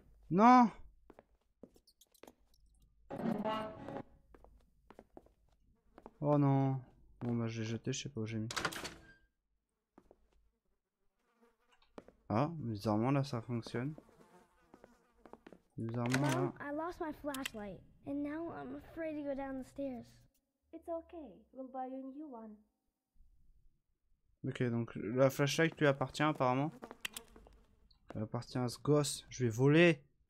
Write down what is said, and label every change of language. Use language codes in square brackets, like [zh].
[fr] Non! Oh non. Bon bah je l'ai jeté, je sais pas où j'ai mis. Ah, bizarrement là ça fonctionne. Bizarrement là. [en] I lost my flashlight and now I'm afraid to go down the stairs. It's okay, we'll buy you a new one. [fr] Ok, donc la flashlight lui appartient apparemment. Elle appartient à ce gosse. Je vais voler.